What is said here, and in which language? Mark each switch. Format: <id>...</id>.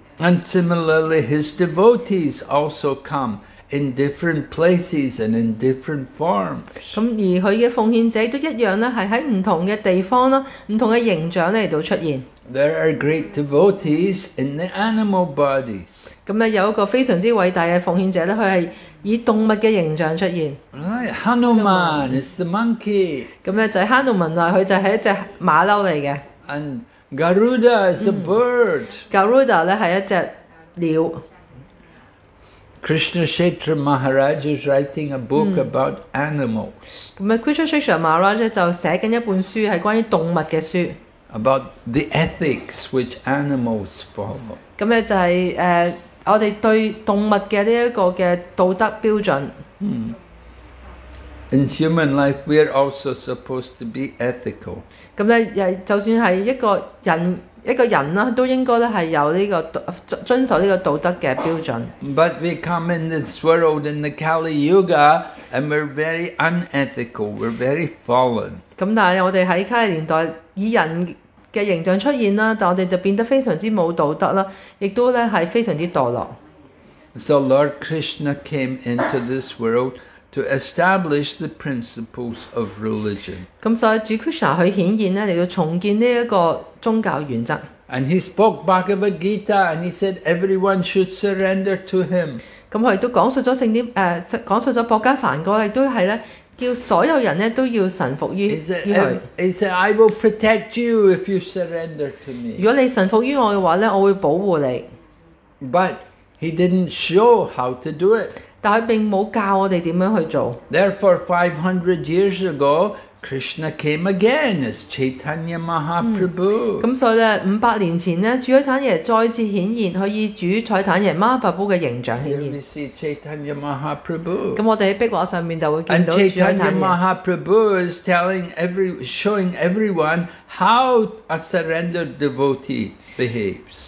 <en>And similarly, his devotees also come in different places and in different forms.</en> <yue>咁而佢嘅奉獻者都一樣咧，係喺唔同嘅地方啦，唔同嘅形象咧嚟到出現。</yue> <en>There are great devotees in the animal bodies.</en> <yue>咁咧有一個非常之偉大嘅奉獻者咧，佢係以動物嘅形象出現。</yue> <en>Hanuman is the monkey.</en> <yue>咁咧就係 Hanuman 啦，佢就係一隻馬騮嚟嘅。</yue> <en>And Garuda is a bird.</en> <yue>Garuda 咧係一隻鳥。</yue> <en>Krishna Kshetra Maharaj is writing a book about animals.</en> <yue>咁啊 ，Krishna Kshetra Maharaj 就寫緊一本書，係關於動物嘅書。</yue> <en>About the ethics which animals follow.</en> <yue>咁咧就係我哋對動物嘅呢一個嘅道德標準。</yue> <en>In human life, we are also supposed to be ethical.</en> <yue>咁咧，就算係一個人啦，都應該咧係有呢個遵守呢個道德嘅標準。</yue> <en>But we come in this world in the Kali Yuga, and we're very unethical. We're very fallen.</en> <yue>咁但係我哋喺卡利年代以人嘅形象出現啦，但我哋就變得非常之冇道德啦，亦都咧係非常之墮落。</yue> <en>So Lord Krishna came into this world. To establish the principles of religion.</en> <yue>咁所以主 Krishna 去顯現咧，嚟到重建呢一個宗教原則。</yue> <en>And he spoke Bhagavad Gita, and he said everyone should surrender to him.</en> <yue>咁佢亦都講述咗聖典，講述咗《博伽梵歌》，亦都係咧叫所有人咧都要臣服於佢。</yue> <en>He said, "I will protect you if you surrender to me."</en> <yue>如果你臣服於我嘅話咧，我會保護你。</yue> <en>But he didn't show how to do it.</en> <yue>但佢並冇教我哋點樣去做。</yue> <en>Therefore, 500 years ago, Krishna came again as Chaitanya Mahaprabhu.</en> <yue>咁所以咧，五百年前咧，主坦爺再次顯現，佢以主賽坦爺 Mahaprabhu 嘅形象顯現。</yue> <en>Here we see Chaitanya Mahaprabhu.</en> <yue>咁我哋喺壁畫上面就會見到主坦爺。</yue> <en>And Chaitanya Mahaprabhu is showing everyone how a surrendered devotee behaves.</en>